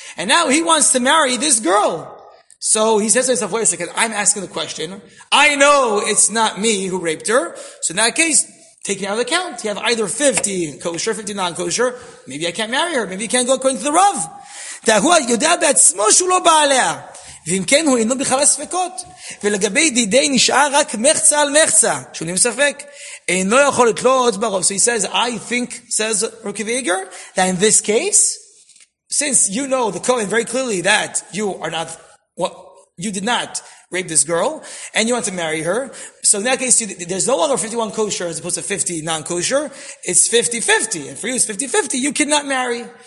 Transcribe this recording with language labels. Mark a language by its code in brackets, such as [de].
[en] And now he wants to marry this girl. So he says to himself, wait a second, I'm asking the question. I know it's not me who raped her. So in that case, taking out of the count, you have either 50 kosher, 50 non-kosher, maybe I can't marry her, maybe you can't go according to the Rav. [he] Tahua yoda bat smoshu lo ba'alea. ואם כן הוא אינו בכלל ספקות, ולגבי דידי נשאר רק מחצה על מחצה, שונים ספק, אינו יכול לתלות ברוב. [en] So he says, I think, says Rukiv Eger, that in this case, since you know the Kohen very clearly that you are not, you did not rape this girl, and you want to marry her, so in that case, there's no longer 51 kosher as opposed to 50 non-kosher, it's 50-50, and for you it's 50-50, you cannot marry.